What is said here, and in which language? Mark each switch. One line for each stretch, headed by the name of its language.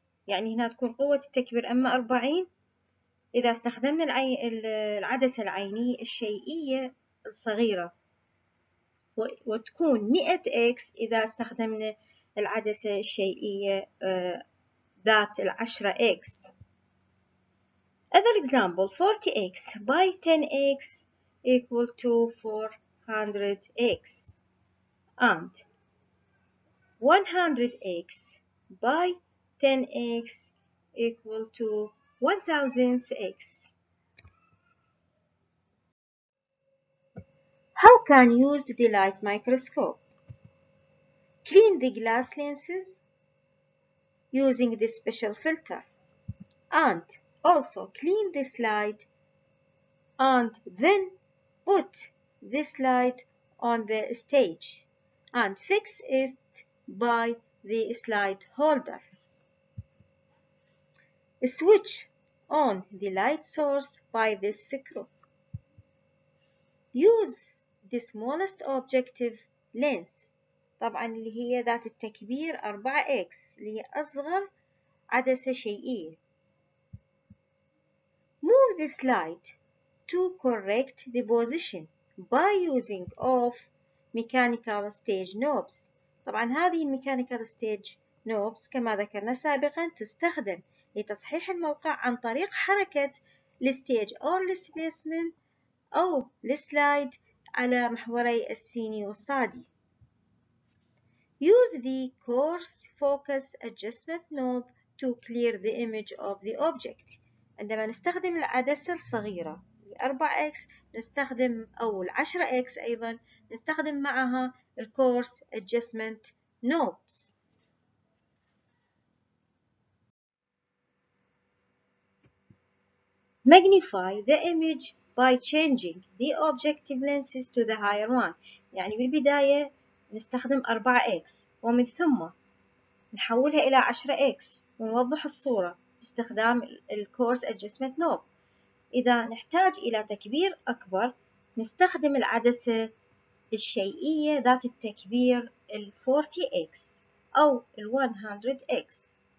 Arabic: يعني هنا تكون قوة التكبير أما 40. إذا استخدمنا العدسة العينية الشيئية الصغيرة وتكون 100x إذا استخدمنا العدسة الشيئية ذات 10x.
English: Other example 40x by 10x equal to 400x and 100x by 10x equal to 1000x. How can you use the light microscope? Clean the glass lenses using the special filter and also clean the slide and then put the slide on the stage and fix it by the slide holder. Switch on the light source by this screw. Use the smallest objective lens.
Arabic: طبعا اللي هي ذات التكبير 4x اللي هي أصغر عدسة شيئية.
English: Move the slide to correct the position by using of mechanical stage knobs.
Arabic: طبعا هذه mechanical stage knobs كما ذكرنا سابقا تستخدم لتصحيح الموقع عن طريق حركة الستيج أو السبيسمن أو السلايد على محوري السيني والصادي.
English: Use the coarse focus adjustment knob to clear the image of the object.
Arabic: عندما نستخدم العدسة الصغيرة 4x نستخدم أو 10x أيضا نستخدم معها الكورس adjustment knobs.
English: Magnify the image by changing the objective lenses to the higher one.
Arabic: يعني بالبداية نستخدم 4x ومن ثم نحولها إلى 10x ونوضح الصورة باستخدام الكورس adjustment knob. إذا نحتاج إلى تكبير أكبر نستخدم العدسة الشيئية ذات التكبير 40x أو 100x.